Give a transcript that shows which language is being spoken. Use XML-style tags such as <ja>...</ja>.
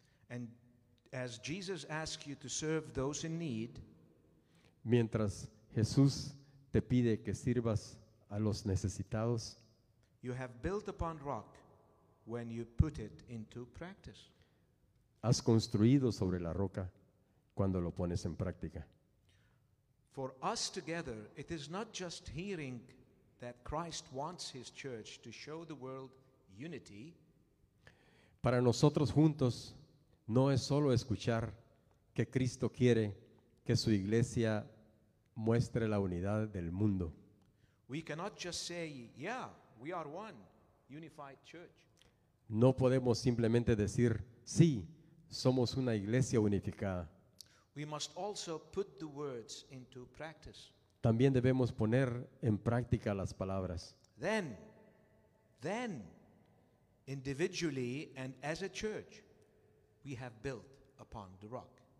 <en>And as Jesus asks you to serve those in need,</en> <es>mientras Jesús te pide que sirvas a los necesitados,</es> <en>you have built upon rock when you put it into practice.</en> <es>Has construido sobre la roca cuando lo pones en práctica.</es> <en>For us together, it is not just hearing that Christ wants his church to show the world unity.</en> <es>Para nosotros juntos, no es solo escuchar que Cristo quiere que su iglesia muestre la unidad del mundo.</es> <en>We cannot just say, yeah, we are one unified church.</en> <es>No podemos simplemente decir, sí, somos una iglesia unificada.</es> <en>We must also put the words into practice.</en> <es>También debemos poner en práctica las palabras.</es> <en>Then, individually and as a church, we have built upon the rock.</en>